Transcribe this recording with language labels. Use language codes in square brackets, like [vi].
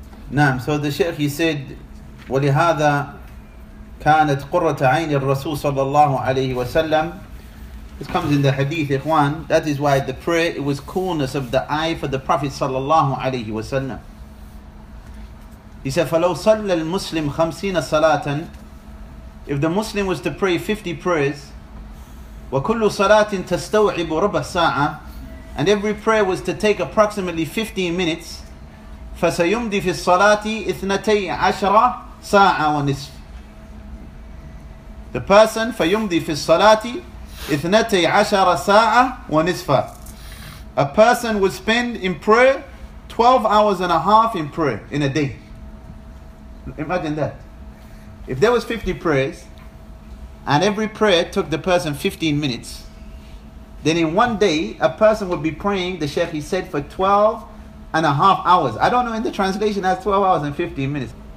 [en] Naam, so the Shaykh, he said, [ar] ولهذا كانت قرة عين الرسول صلى الله عليه وسلم. [en] This comes in the hadith, Ikhwan. That is why the prayer, it was coolness of the eye for the Prophet صلى الله عليه وسلم. He said, [ar] فلو صلى المسلم خمسين صلاة, [en] if the Muslim was to pray 50 prayers, [ar] وكل صلاة تستوعب ربع ساعة, [en] and every prayer was to take approximately 15 minutes, [ar] فسيمضي في الصلاة اثنتي عشرة ساعة ونصف. [en] The person, [ar] فيمضي في الصلاة اثنتي عشرة ساعة ونصف. [en] A person would spend in prayer 12 hours and a half in prayer in a day. Imagine that. If there was 50 prayers and every prayer took the person 15 minutes, then in one day a person would be praying, the Shaykh, he said, for 12 and a half hours. I don't know, in the translation that's 12 hours and 15 minutes.